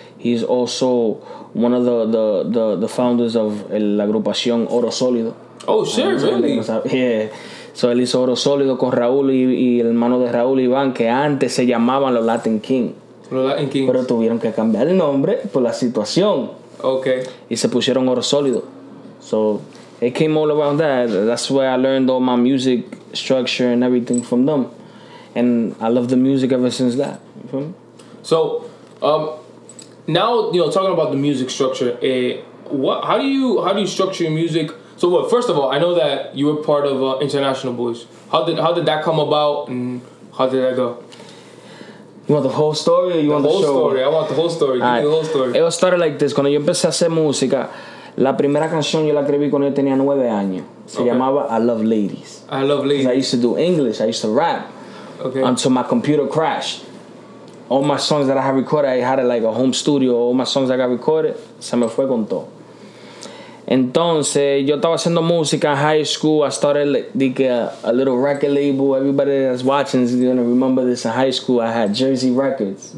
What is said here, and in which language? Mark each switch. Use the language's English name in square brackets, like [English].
[English] He's also one of the founders of [Spanish] la agrupación [English] Oro Sólido. Oh, sure, really? Yeah. [Spanish] So él hizo Oro Sólido con Raúl y el hermano de Raúl, Iván, que antes se llamaban los Latin Kings. Los Latin Kings. Pero tuvieron que cambiar el nombre por la situación. [English] Okay. [Spanish] Y se pusieron Oro Sólido. [English] So it came all around that. That's where I learned all my music structure and everything from them. And I love the music ever since that. You feel me? So now, you know, talking about the music structure, how do you structure your music? So what, first of all, I know that you were part of International Boys. How did that come about and how did that go? You want the whole story or you want the show? The whole story. I want the whole story. Give me the whole story. It started like this. [Spanish] Cuando yo empecé a hacer música, la primera canción yo la escribí cuando yo tenía 9 años. Se llamaba I Love Ladies. [English] I Love Ladies. I used to do English. I used to rap. Okay. Until my computer crashed. All my songs that I had recorded, I had like a home studio. All my songs that I got recorded, [Spanish] se me fue con todo. Entonces, yo estaba haciendo música en high school. [English] I started like a little record label. Everybody that's watching is going to remember this. In high school, I had Jersey Records.